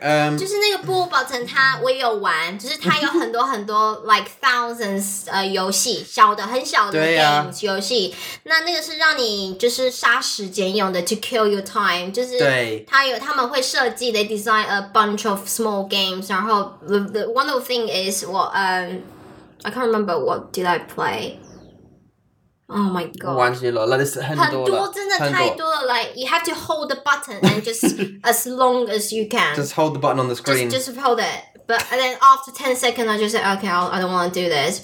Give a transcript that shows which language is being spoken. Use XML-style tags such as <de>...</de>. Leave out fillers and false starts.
<en>Like thousands</en> <zh>游戏，小的很小的games游戏。那那个是让你就是杀时间用的,</zh> <en>to kill your time.</en> <zh>就是他们会设计,</zh> <en>they design a bunch of small games.</en> <zh>然后,</zh> <en>the one of the things is, I can't remember what did I play. Oh my god.</en> <zh>忘记了，那是很多了，很多，真的太多了。</zh> <en>Like, you have to hold the button and just as long as you can. Just hold the button on the screen. Just hold it. But and then after 10 seconds, I just say, okay, I don't want to do this.</en>